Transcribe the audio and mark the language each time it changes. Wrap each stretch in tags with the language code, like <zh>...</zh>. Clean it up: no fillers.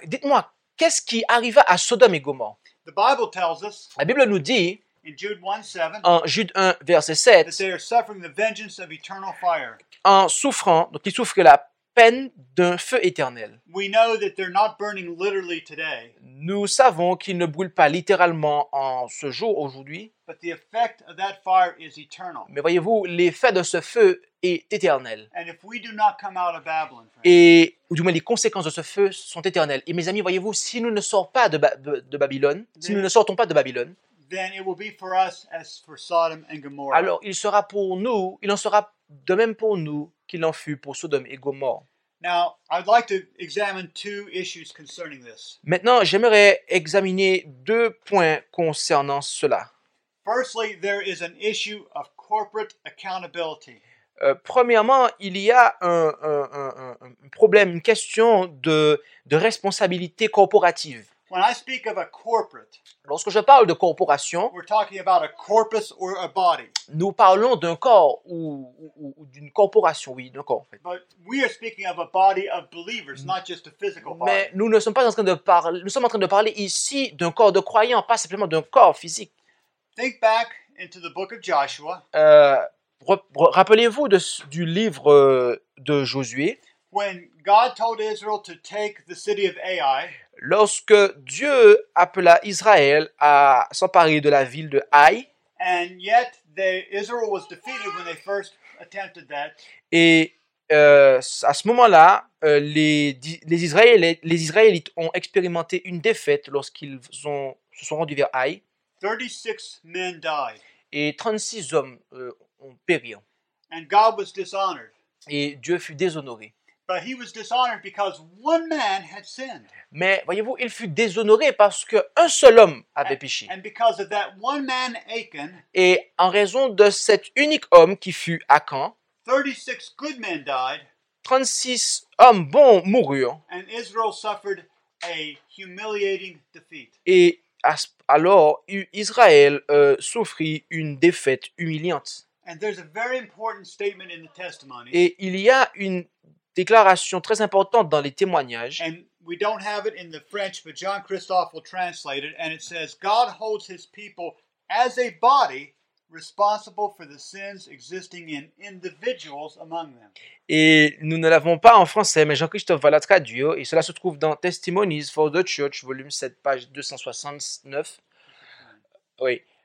<fr>Dites-moi, qu'est-ce qui arriva à Sodome et Gomorrhe?</fr> <en>The Bible tells us,</en> <fr>la Bible nous dit,</fr> <en>in Jude 1, 7,</en> <fr>en Jude 1, verset 7,</fr> <en>that they are suffering the vengeance of eternal fire.</en> <fr>En souffrant, donc ils souffrent la peine d'un feu éternel.</fr> <en>We know that they're not burning literally today.</en> <fr>Nous savons qu'ils ne brûlent pas littéralement en ce jour aujourd'hui.</fr> <en>But the effect of that fire is eternal.</en> <fr>Mais voyez-vous, l'effet de ce feu est éternel.</fr> <en>And if we do not come out of Babylon,</en> <fr>et ou du moins les conséquences de ce feu sont éternelles. Et mes amis, voyez-vous, si nous ne sortons pas de Babylone, si nous ne sortons pas de Babylone,</fr> <en>then it will be for us as for Sodom and Gomorrah.</en> <fr>Alors il sera pour nous, il en sera de même pour nous qu'il en fut pour Sodome et Gomorrhe.</fr> <en>Now, I'd like to examine two issues concerning this.</en> <fr>Maintenant, j'aimerais examiner deux points concernant cela.</fr> <en>Firstly, there is an issue of corporate accountability.</en> <fr>Premièrement, il y a un problème, une question de responsabilité corporative.</fr> <en>When I speak of a corporate,</en> <fr>lorsque je parle de corporation,</fr> <en>we're talking about a corpus or a body.</en> <fr>Nous parlons d'un corps ou d'une corporation, oui, d'un corps en fait.</fr> <en>But we are speaking of a body of believers, not just a physical body.</en> <fr>Mais nous ne sommes pas en train de parler, nous sommes en train de parler ici d'un corps de croyants, pas simplement d'un corps physique.</fr> <en>Think back into the book of Joshua.</en> <fr>Rappelez-vous du livre de Josué.</fr> <en>When God told Israel to take the city of Ai.</en> <fr>Lorsque Dieu appela Israël à s'emparer de la ville de Haï,</fr> <en>and yet Israel was defeated when they first attempted that.</en> <fr>Et à ce moment-là, les Israélites ont expérimenté une défaite lorsqu'ils se sont rendus vers Haï.</fr> <en>36 men died.</en> <fr>Et 36 hommes ont péri.</fr> <en>And God was dishonored.</en> <fr>Et Dieu fut déshonoré.</fr> <en>But he was dishonored because one man had sinned.</en> <fr>Mais voyez-vous, il fut déshonoré parce que un seul homme avait péché.</fr> <en>And because of that one man, Achan.</en> <fr>Et en raison de cet unique homme qui fut Achan.</fr> <en>36 good men died.</en> <fr>36 hommes bons moururent.</fr> <en>And Israel suffered a humiliating defeat.</en> <fr>Et alors Israël souffrit une défaite humiliante.</fr> <en>And there's a very important statement in the testimony.</en> <fr>Et il y a une déclaration très importante dans les témoignages.</fr> <en>And we don't have it in the French, but John Christophe will translate it, and it says, God holds his people as a body responsible for the sins existing in individuals among them.</en> <fr>Et nous ne l'avons pas en français, mais Jean-Christophe va la traduire, et cela se trouve dans Testimonies for the Church, volume 7, page 269. Oui.</fr>